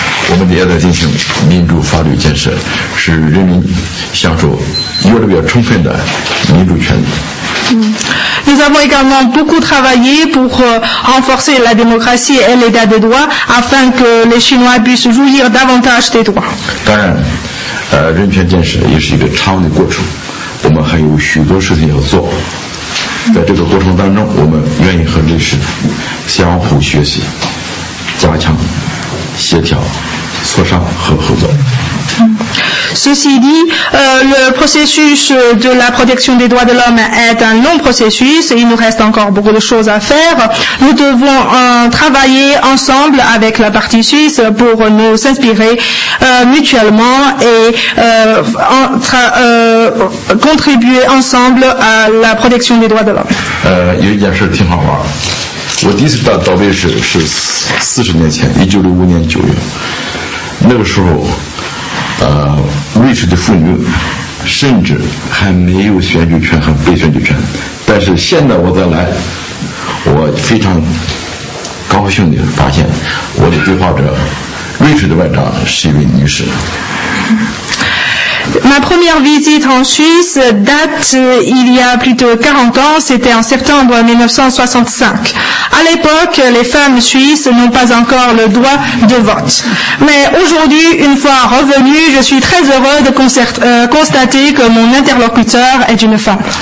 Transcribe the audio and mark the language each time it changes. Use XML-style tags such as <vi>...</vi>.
<zh>我们也在进行民主法律建设，使人民享受越来越充分的民主权利。</zh> <fr>Nous avons également beaucoup travaillé pour renforcer la démocratie et l'état de droit afin que les Chinois puissent jouir davantage des droits.</fr> <zh>当然，人权建设也是一个长的过程，我们还有许多事情要做。在这个过程当中，我们愿意和瑞士相互学习，加强协调。磋商和合作。</zh> <fr>Ceci dit, le processus de la protection des droits de l'homme est un long processus. Il nous reste encore beaucoup de choses à faire. Nous devons travailler ensemble avec la partie suisse pour nous inspirer mutuellement et contribuer ensemble à la protection des droits de l'homme. Il y a une chose qui est très bien.</fr> <zh>我第一次到瑞士是40年前 1965年9月 那个时候瑞士的妇女甚至还没有选举权和被选举权但是现在我再来我非常高兴地发现我的对话者瑞士的外长是一位女士</zh> <fr>Ma première visite en Suisse date il y a plus de 40 ans, c'était en septembre 1965. À l'époque, les femmes suisses n'ont pas encore le droit de vote. Mais aujourd'hui, une fois revenue, je suis très heureux de constater que mon interlocuteur est une femme.</fr>